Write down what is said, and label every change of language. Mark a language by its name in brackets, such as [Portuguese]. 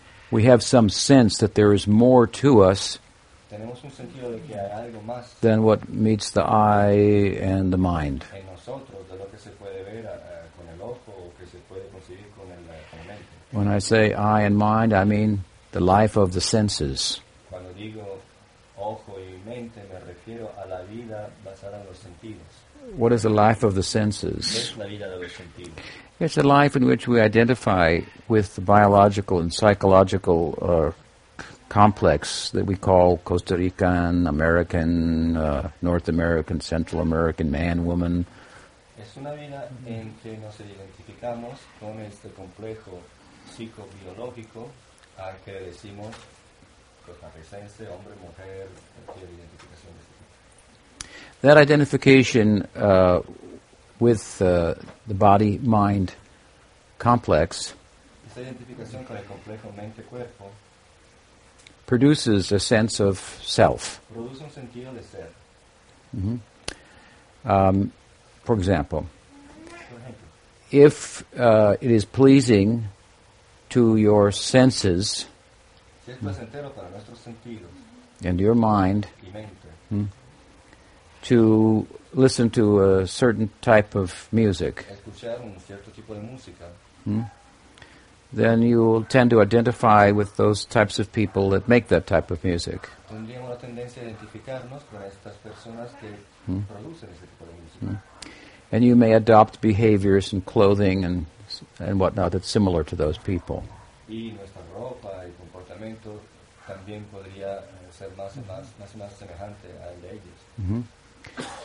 [English] We have some sense that there is more to us [Spanish] tenemos un sentido de que hay algo más [English] than what meets the eye and the mind. [Spanish] En nosotros, de lo que se puede ver con el ojo o que se puede percibir con el con la mente. [English] When I say eye and mind, I mean the life of the senses. [Spanish] Cuando digo ojo y mente, me refiero a la vida basada en los sentidos. [English] What is the life of the senses? [Spanish] La vida de los sentidos. [English] It's a life in which we identify with the biological and psychological complex that we call Costa Rican, American, North American, Central American, man, woman. [Spanish] Es una vida en que nos identificamos con este complejo psicobiológico al que decimos costarricense, hombre, mujer, cualquier identificación de este tipo. [English] That identification with the body-mind complex, [Spanish] esa identificación con el complejo mente-cuerpo, [English] produces a sense of self. [Spanish] Produce un sentido de ser. [English] For example, if it is pleasing to your senses, [Spanish] si es placentero para nuestros sentidos, [English] and your mind, [Spanish] y mente, [English] to listen to a certain type of music, [Spanish] escuchar un cierto tipo de música, [English] then you will tend to identify with those types of people that make that type of music. [Spanish] Tendríamos la tendencia a identificarnos con estas personas que producen ese tipo de música. [English] And you may adopt behaviors and clothing and whatnot that's similar to those people. [Spanish] Y nuestra ropa y comportamiento también podría ser más semejante a el de ellos.